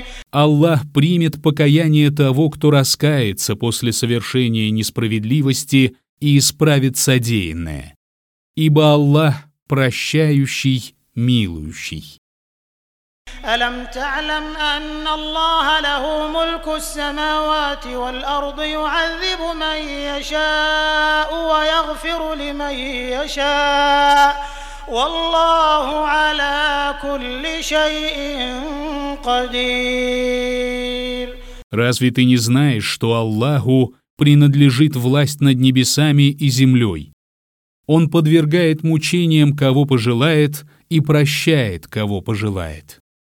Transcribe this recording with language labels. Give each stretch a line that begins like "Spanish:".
Russian: Аллах примет покаяние того, кто раскается после совершения несправедливости и исправит содеянное. Ибо Аллах прощающий, милующий.
Arabic: ألم تعلم أن الله له ملك السماوات والأرض يعذب من يشاء ويغفر لمن يشاء والله على كل شيء قدير.
Russian: Разве ты не знаешь, что Аллаху принадлежит власть над небесами и землей? Он подвергает мучениям кого пожелает и прощает кого пожелает.